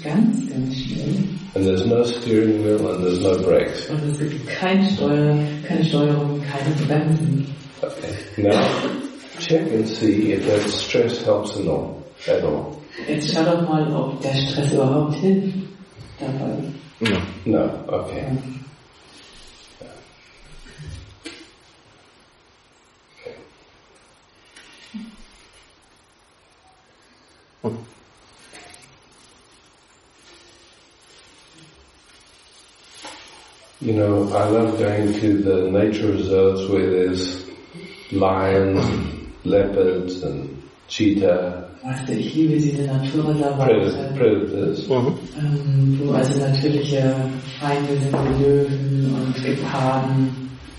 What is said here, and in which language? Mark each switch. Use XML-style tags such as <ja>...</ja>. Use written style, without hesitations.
<en>And there's no steering wheel and there's no brakes.</en> <de>Und es gibt keine Steuerung, keine Bremsen.</de> <en>Okay. Now, check and see if that stress helps at all.</en> <de>Jetzt schau doch mal, ob der Stress überhaupt hilft dabei.</de> <en>No. No. Okay. You know, I love going to the nature reserves where there's lions, leopards, and cheetah. Predators.</en> <de>Wo also natürliche Feinde sind wie Löwen und Geparden.</de>